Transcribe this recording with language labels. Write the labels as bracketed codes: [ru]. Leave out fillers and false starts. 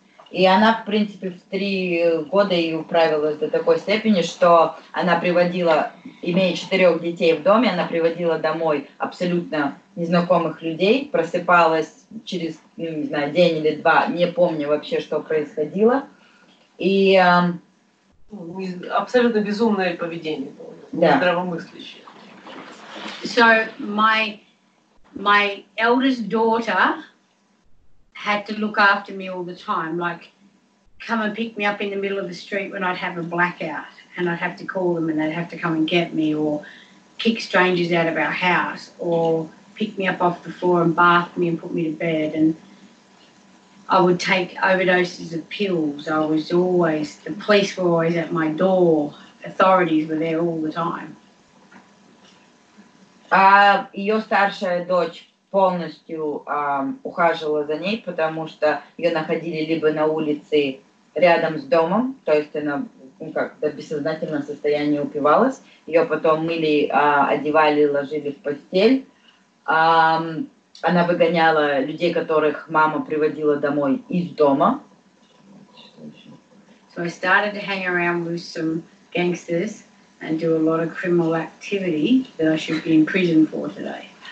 [ru] И она, в принципе, в 3 года и управилась до такой степени, что она приводила, имея 4 детей в доме, она приводила домой абсолютно незнакомых людей, просыпалась через, ну, не знаю, день или два, не помню вообще, что происходило. И абсолютно безумное поведение было, да. Здравомыслящее. [en] So my eldest daughter had to look after me all the time, like come and pick me up in the middle of the street when I'd have a blackout and I'd have to call them and they'd have to come and get me or kick strangers out of our house or pick me up off the floor and bath me and put me to bed. And I would take overdoses of pills. I was always, the police were always at my door. Authorities were there all the time. Your [ru] старшая дочь полностью ухаживала за ней, потому что ее находили либо на улице рядом с домом, то есть она, ну, как-то в бессознательном состоянии упивалась, ее потом мыли, одевали, ложили в постель, она выгоняла людей, которых мама приводила домой из дома. [en] So I started to hang around with some gangsters and do a lot of criminal activity that I should be in prison for today.